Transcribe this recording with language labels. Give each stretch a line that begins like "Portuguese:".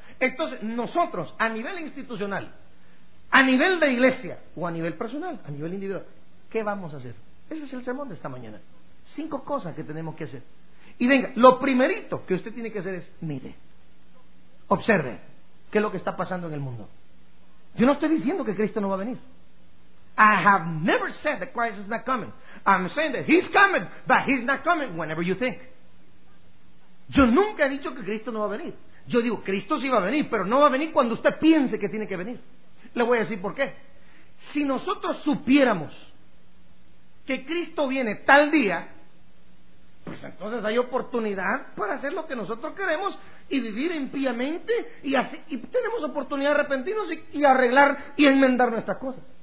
Spanish: Entonces, nosotros, a nivel institucional, a nivel de iglesia o a nivel personal, a nivel individual, ¿qué vamos a hacer? Ese es el sermón de esta mañana. 5 cosas que tenemos que hacer. Y venga, lo primerito que usted tiene que hacer es: mire, observe qué es lo que está pasando en el mundo. Yo no estoy diciendo que Cristo no va a venir.
English: I have never said that Christ is not coming. I'm saying that he's coming, but he's not coming whenever you think.
Spanish: Yo nunca he dicho que Cristo no va a venir. Yo digo, Cristo sí va a venir, pero no va a venir cuando usted piense que tiene que venir. Le voy a decir por qué. Si nosotros supiéramos que Cristo viene tal día, pues entonces hay oportunidad para hacer lo que nosotros queremos y vivir impíamente, y así, y tenemos oportunidad de arrepentirnos y arreglar y enmendar nuestras cosas.